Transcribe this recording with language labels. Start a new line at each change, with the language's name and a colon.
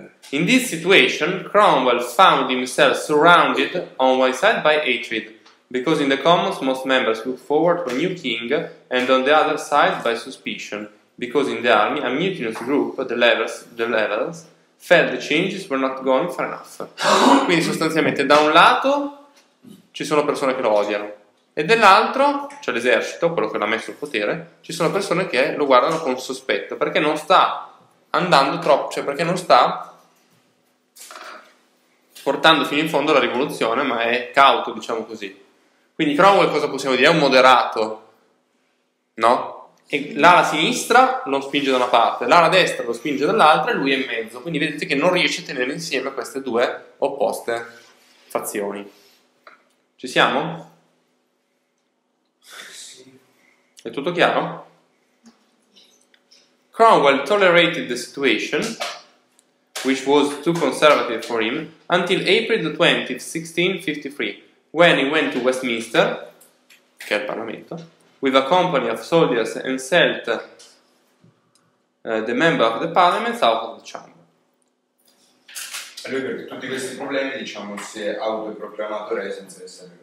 English: In this situation, Cromwell found himself surrounded on one side by hatred, because in the commons most members looked forward to a new king, and on the other side by suspicion, because in the army a mutinous group, the levels, felt the changes were not going far enough.
Italian: Quindi sostanzialmente da un lato ci sono persone che lo odiano, e dall'altro, cioè l'esercito, quello che l'ha messo al potere, ci sono persone che lo guardano con sospetto, perché non sta... andando troppo, cioè perché non sta portando fino in fondo la rivoluzione, ma è cauto, diciamo così. Quindi Cromwell, cosa possiamo dire? È un moderato, no? E l'ala sinistra lo spinge da una parte, l'ala destra lo spinge dall'altra e lui è in mezzo. Quindi vedete che non riesce a tenere insieme queste due opposte fazioni. Ci siamo? Sì. È tutto chiaro?
English: Cromwell tolerated the situation, which was too conservative for him, until April the 20th, 1653, when he went to Westminster,
Italian: che è il Parlamento,
English: with a company of soldiers and sent the member of the Parliament out of the chamber.
Italian: Lui, perché tutti questi problemi, diciamo, si è autoproclamato re senza essere